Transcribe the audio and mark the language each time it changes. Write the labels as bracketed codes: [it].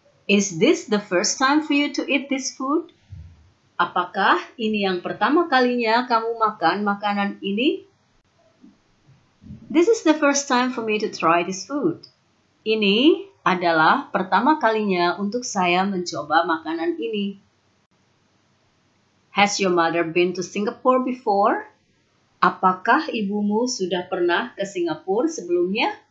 [en] Is this the first time for you to eat this food? [id] Apakah ini yang pertama kalinya kamu makan makanan ini? [en] This is the first time for me to try this food. [id] Ini adalah pertama kalinya untuk saya mencoba makanan ini. [en] Has your mother been to Singapore before? [id] Apakah ibumu sudah pernah ke Singapura sebelumnya?